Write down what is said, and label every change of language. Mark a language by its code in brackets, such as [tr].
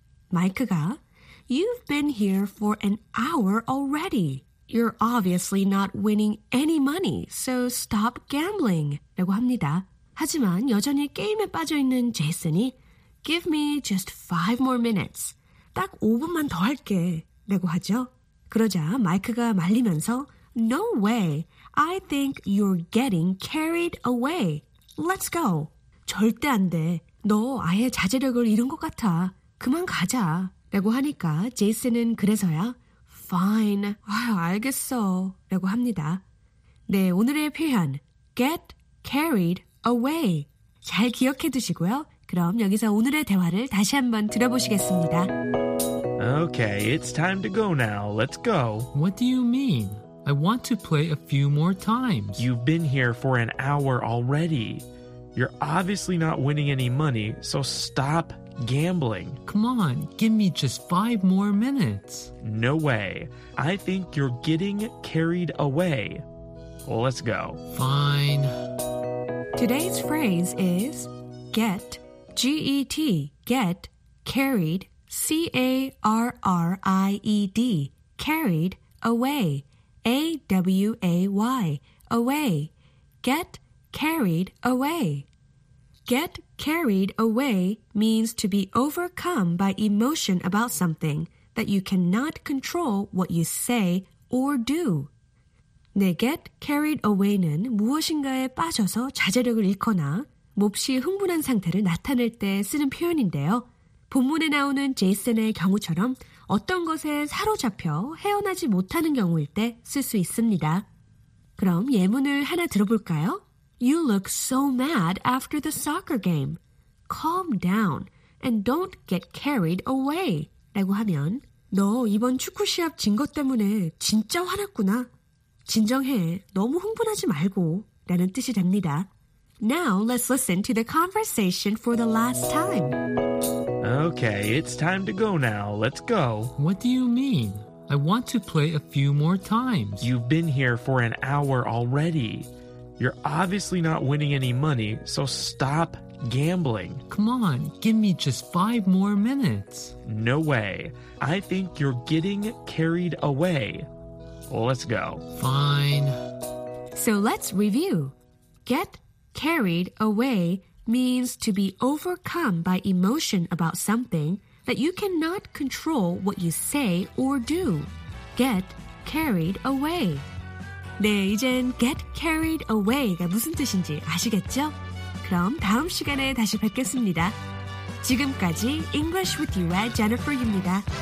[ko] 마이크가 [en] You've been here for an hour already. You're obviously not winning any money, so stop gambling. [ko] 라고 합니다. 하지만 여전히 게임에 빠져있는 제이슨이 [en] Give me just five more minutes. [ko] 딱 5분만 더 할게. 라고 하죠. 그러자 마이크가 말리면서 [en] No way. I think you're getting carried away. Let's go. [ko] 절대 안 돼. 너 아예 자제력을 잃은 것 같아. 그만 가자. 라고 하니까 제이슨은 그래서야 [en] Fine. [ko] 아유, 알겠어. 라고 합니다. 네, 오늘의 표현 Get carried away. 잘 기억해 두시고요. 그럼 여기서 오늘의 대화를 다시 한번 들어보시겠습니다. [en] Okay, it's time to go now. Let's go. What do you mean? I want to play a few more times. You've been here for an hour already. You're obviously not winning any money, so stop gambling. Come on, give me just five more minutes. No way. I think you're getting carried away. Let's go. Fine. Today's phrase is get, G-E-T, get, carried, C-A-R-R-I-E-D, carried away, A-W-A-Y, away, get carried away. Get carried away means to be overcome by emotion about something that you cannot control what you say or do. [ko] 네, get carried away는 무엇인가에 빠져서 자제력을 잃거나 몹시 흥분한 상태를 나타낼 때 쓰는 표현인데요. 본문에 나오는 제이슨의 경우처럼 어떤 것에 사로잡혀 헤어나지 못하는 경우일 때 쓸 수 있습니다. 그럼 예문을 하나 들어볼까요? [en] You look so mad after the soccer game. Calm down and don't get carried away. [ko] 라고 하면 너 이번 축구 시합 진 것 때문에 진짜 화났구나. 진정해. 너무 흥분하지 말고. 라는 뜻이 됩니다. [en] Now let's listen to the conversation for the last time. Okay, it's time to go now. Let's go. What do you mean? I want to play a few more times. You've been here for an hour already. You're obviously not winning any money, so stop gambling. Come on, give me just five more minutes. No way. I think you're getting carried away. Let's go. Fine. So let's review. Get carried away means to be overcome by emotion about something that you cannot control what you say or do. Get carried away. [ko] 네, 이젠 get carried away가 무슨 뜻인지 아시겠죠? 그럼 다음 시간에 다시 뵙겠습니다. 지금까지 English with you의 Jennifer입니다.